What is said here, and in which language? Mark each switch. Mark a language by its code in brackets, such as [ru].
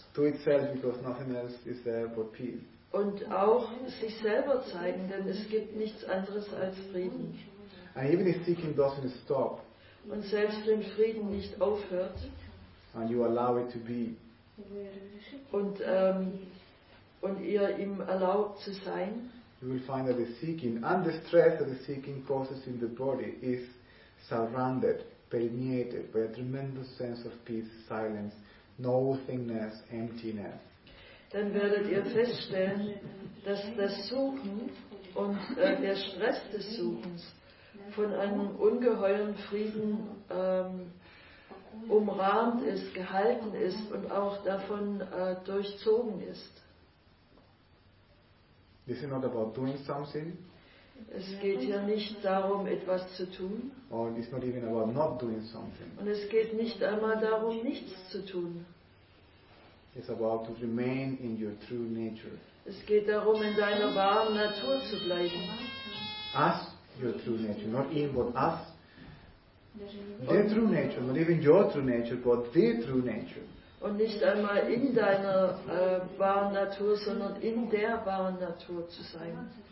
[en] To itself, because nothing else is there but peace. [de] Und auch sich selber zeigen, denn es gibt nichts anderes als Frieden. [en] And even if seeking doesn't stop. [de] Und selbst wenn Frieden nicht aufhört. [en] And you allow it to be. [de] Und ihr ihm erlaubt zu sein. [en] You will find that the seeking and the stress that the seeking causes in the body is surrounded, permeated by a tremendous sense of peace, silence, nothingness, emptiness. [de] Dann werdet ihr feststellen, dass das Suchen und der Stress des Suchens von einem ungeheuren Frieden umrahmt ist, gehalten ist und auch davon durchzogen ist. [en] This is not about doing something. [de] Es geht hier nicht darum, etwas zu tun. [en] Or it's not even about not doing something. [de] Und es geht nicht einmal darum, nichts zu tun. [en] It's about to remain in your true nature. [de] Es geht darum, in deiner wahren Natur zu bleiben. [en] As your true nature, not even but as the true nature, not even your true nature, but the true nature. [de] Und nicht einmal in deiner wahren Natur, sondern in der wahren Natur zu sein.